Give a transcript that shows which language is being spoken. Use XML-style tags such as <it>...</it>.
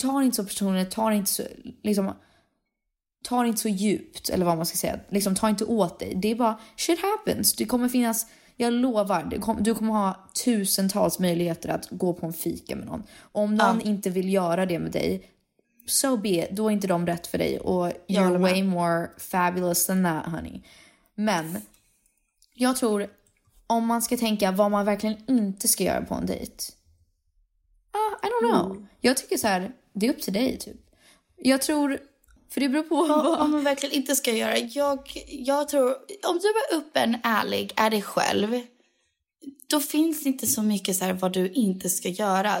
<sv>Tar inte så personligt, tar inte så, liksom, tar inte så djupt, eller vad man ska säga. Liksom, tar inte åt dig. Det är bara,</sv> <en>shit happens.</en> <sv>Det kommer finnas, jag lovar, du kommer ha tusentals möjligheter att gå på en fika med någon. Om någon inte vill göra det med dig,</sv> <en>so be it,</en> <sv>då är inte de rätt för dig.</sv> <en>Och you're way more fabulous than that, honey.</en> <sv>Men, jag tror, om man ska tänka vad man verkligen inte ska göra på en dejt.</sv> <en>I don't know.</en> <sv>Mm. Jag tycker så här, det är upp till dig typ. Jag tror, för det beror på vad... Om man verkligen inte ska göra. Jag tror, om du är öppen, ärlig, är dig själv, då finns det inte så mycket så här vad du inte ska göra.</sv>